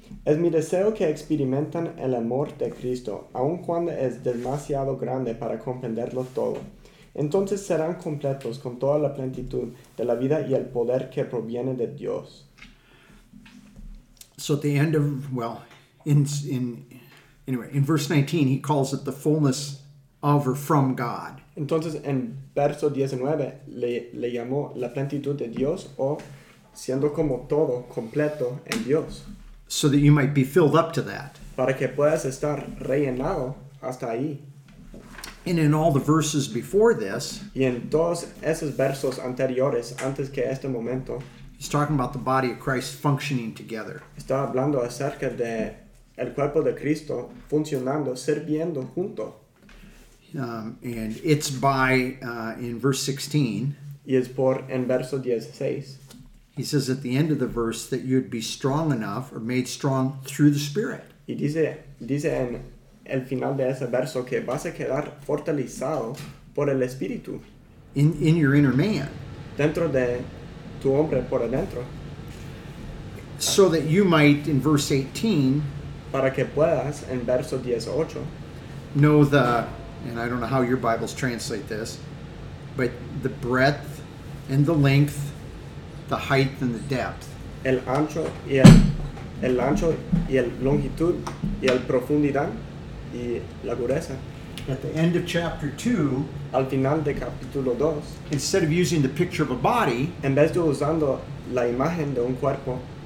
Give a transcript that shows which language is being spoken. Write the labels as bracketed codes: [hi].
[es] Es mi deseo que experimenten el amor de Cristo, aun cuando es demasiado grande para comprenderlo todo. Entonces serán completos con toda la plenitud de la vida y el poder que proviene de Dios. [en] So at the end of, well, in verse 19, he calls it the fullness of or from God. [es] Entonces en verso 19 le llamó la plenitud de Dios o siendo como todo completo en Dios. [en] So that you might be filled up to that. [es] Para que puedas estar rellenado hasta ahí. [en] And in all the verses before this, [es] y en todos esos versos anteriores, antes que este momento, [en] he's talking about the body of Christ functioning together. [es] Está hablando acerca de el cuerpo de Cristo funcionando, sirviendo junto. [en] And it's by, in verse 16, [es] y es por en verso 16, [en] he says at the end of the verse that you'd be strong enough or made strong through the Spirit. [es] Y dice en el final de ese verso que vas a quedar fortalecido por el Espíritu. [en] In your inner man. [es] Dentro de tu hombre por adentro. [en] So that you might, in verse 18, [es] para que puedas, en verso 18, [en] know the, and I don't know how your Bibles translate this, but the breadth and the length, the height and the depth. [es] El ancho y el longitud y el profundidad y la gruesa. [en] At the end of chapter 2, [es] al final de capítulo 2, [en] instead of using the picture of a body, [es] en vez de usando la imagen de un cuerpo,